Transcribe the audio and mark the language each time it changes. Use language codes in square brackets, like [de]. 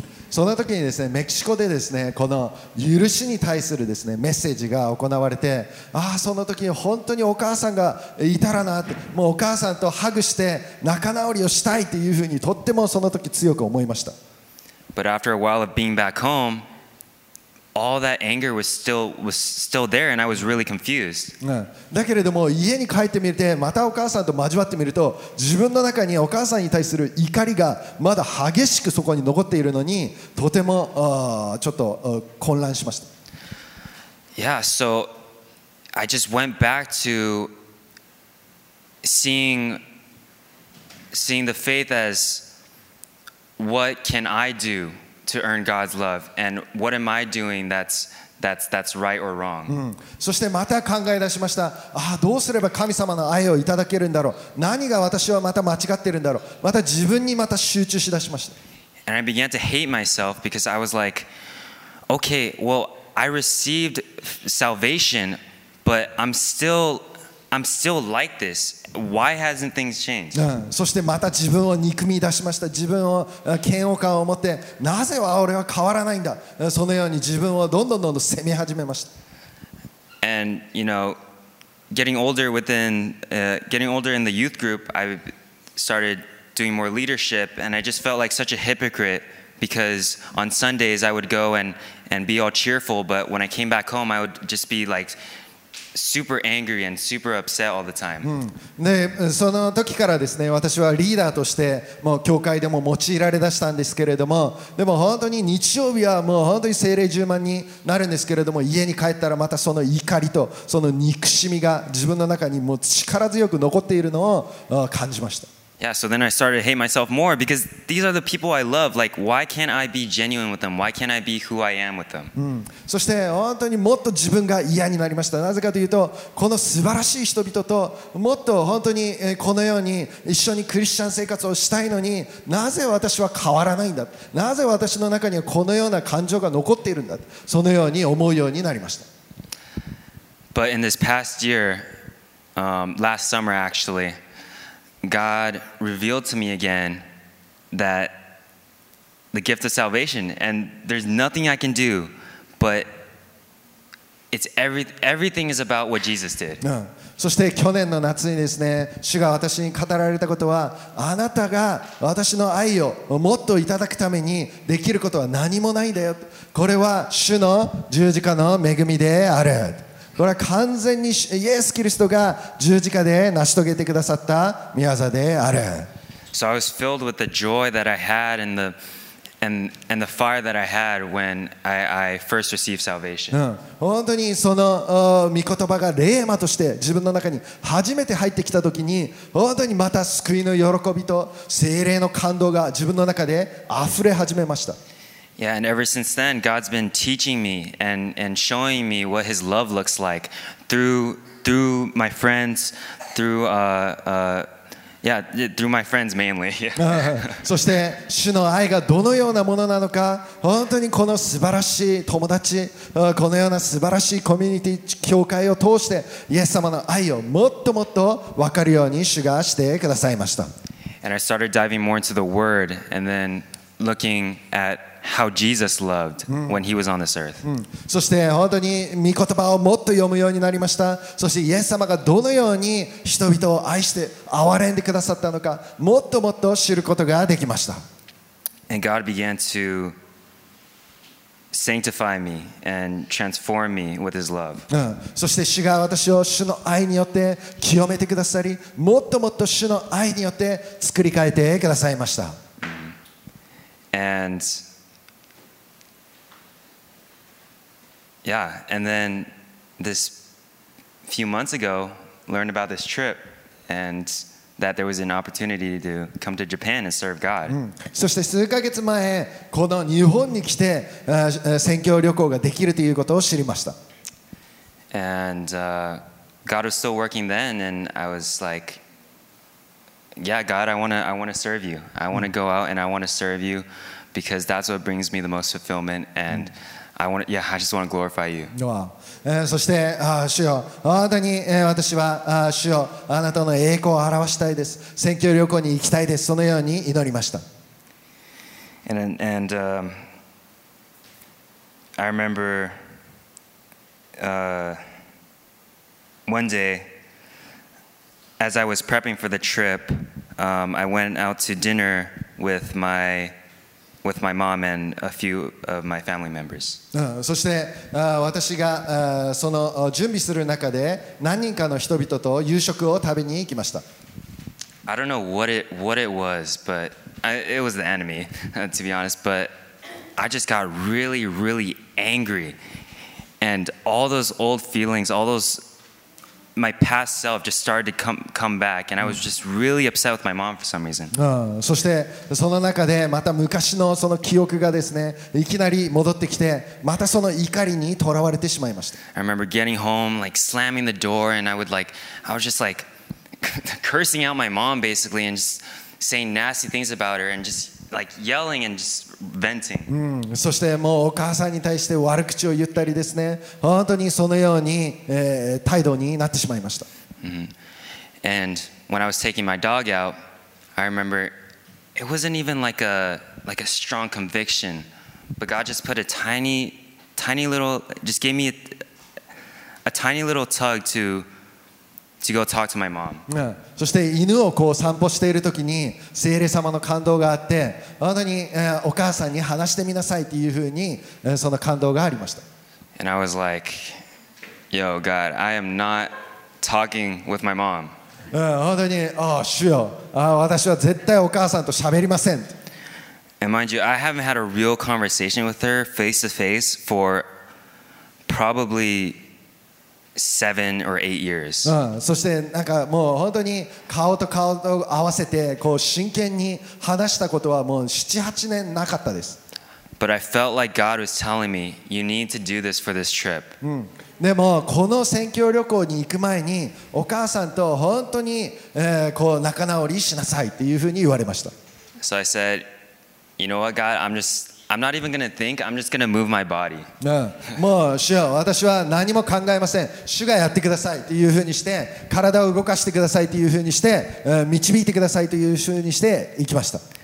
[ja] その時にですね、メキシコでですね、この許しに対するですね、メッセージが行われて、ああ、その時に本当にお母さんがいたらなって、もうお母さんとハグして仲直りをしたいっていうふうにとってもその時強く思いました。 [en] But after a while of being back home, all that anger was still there and I was really confused. [ja] だけれども家に帰ってみて、またお母さんと交わってみると、自分の中にお母さんに対する怒りがまだ激しくそこに残っているのに、とてもちょっと混乱しました。 [en] Yeah, so I just went back to seeing the faith as what can I do? To earn God's love, and what am I doing that's right or wrong? [ja] そしてまた考え出しました。ああ、どうすれば神様の愛をいただけるんだろう。何が私はまた間違ってるんだろう。また自分にまた集中しだしました。 [en] And I began to hate myself because I was like, okay, well, I received salvation, but I'm still like this. Why hasn't things changed? [ja] そしてまた自分を憎み出しました。自分を嫌悪感を持って、なぜ俺は変わらないんだ。そのように自分をどんどんどんどん責め始めました。 [en] And you know, getting older in the youth group, I started doing more leadership, and I just felt like such a hypocrite because on Sundays I would go and be all cheerful, but when I came back home, I would just be like. Super angry and super upset all the time. [ja] で、その時からですね、私はリーダーとしてもう教会でも用いられだしたんですけれども、でも本当に日曜日はもう本当に聖霊充満になるんですけれども、家に帰ったらまたその怒りとその憎しみが自分の中にもう力強く残っているのを感じました。 [en] Yeah, so then I started to hate myself more because these are the people I love. Like, why can't I be genuine with them? Why can't I be who I am with them? [ja] そして本当にもっと自分が嫌になりました。なぜかというと、この素晴らしい人々ともっと本当にこのように一緒にクリスチャン生活をしたいのに、なぜ私は変わらないんだ。なぜ私の中にはこのような感情が残っているんだ。そのように思うようになりました。 [en] But in this past year, last summer actually,God revealed to me again that the gift of salvation, and there's nothing I can do, but it's everything is about what Jesus did. [ja] そして去年の夏にですね、主が私に語られたことは、あなたが私の愛をもっといただくためにできることは何もないんだよ。これは主の十字架の恵みである。これは完全にイエス・キリストが十字架で成し遂げてくださった御業である。 [en] So I was filled with the joy that I had and the fire that I had when I first received salvation. [ja] 本当にその御言葉が霊魔として自分の中に初めて入ってきた時に、本当にまた救いの喜びと聖霊の感動が自分の中で溢れ始めました。 [en] Yeah, and ever since then, God's been teaching me and showing me what His love looks like through my friends, through my friends mainly. [ja] そして主の愛がどのようなものなのか、本当にこの素晴らしい友達、このような素晴らしいコミュニティ教会を通してイエス様の愛をもっともっと分かるように主がしてくださいました。 [en] And I started diving more into the Word and then looking at how Jesus loved when he was on this earth. [ja] そして本当に御言葉をもっと読むようになりました。そしてイエス様がどのように人々を愛して憐れんでくださったのか、もっともっと知ることができました。 [en] And God began to sanctify me and transform me with his love. [ja] そして主が私を主の愛によって清めてくださり、もっともっと主の愛によって作り変えてくださいました。 [en] And Yeah, and then this few months ago, learned about this trip and that there was an opportunity to come to Japan and serve God. [ja] そして数ヶ月前、この日本に来て、宣教旅行ができるということを知りました。 [en] And God was still working then, and I was like, Yeah, God, I wanna serve you. I wanna go out and I wanna serve you because that's what brings me the most fulfillment and. I want, yeah, I just want to glorify you. [ja] そして主よ、あなたに私は主よ、あなたの栄光を表したいです。宣教旅行に行きたいです。そのように祈りました。 [en] And I remember one day as I was prepping for the trip, I went out to dinner with my mom and a few of my family members. [ja] そして私がその準備する中で何人かの人々と夕食を食べに行きました。 [en] I don't know what it was, but it was the enemy, to be honest. But I just got really, really angry, and all those old feelings, all those my past self just started to come back, and I was just really upset with my mom for some reason. [ja] そしてその中でまた昔のその記憶がですね、いきなり戻ってきて、またその怒りに囚われてしまいました。 [en] I remember getting home, like slamming the door, and I was just like cursing out my mom basically, and just saying nasty things about her, and just like yelling and just venting. [ja] そしてもうお母さんに対して悪口を言ったりですね、本当にそのように、態度になってしまいました。 [en] And when I was taking my dog out, I remember it wasn't even like a strong conviction, but God just put a tiny little tug to go talk to my mom. [ja] そして犬をこう散歩しているときに聖霊様の感動があって、本当にお母さんに話してみなさいというふうにその感動がありました。 [en] And I was like, Yo, God, I am not talking with my mom. [ja] 本当に、主よ、私は絶対お母さんと喋りません。 [en] And mind you, I haven't had a real conversation with her face to face for probably seven or eight years. [ja] そしてなんかもう本当に顔と顔と合わせてこう真剣に話したことはもう七八年なかったです。 [en] But I felt like God was telling me, you need to do this for this trip. [ja] でもこの宣教旅行に行く前にお母さんと本当にこう仲直りしなさいっていうふうに言われました。 [en] So I said, you know what, God, I'm not even gonna think. I'm just gonna move my body. [ja] もう主よ、私は何も考えません。主がやってくださいというふうにして、体を動かしてくださいというふうにして、導いてくださいというふうにして行きました。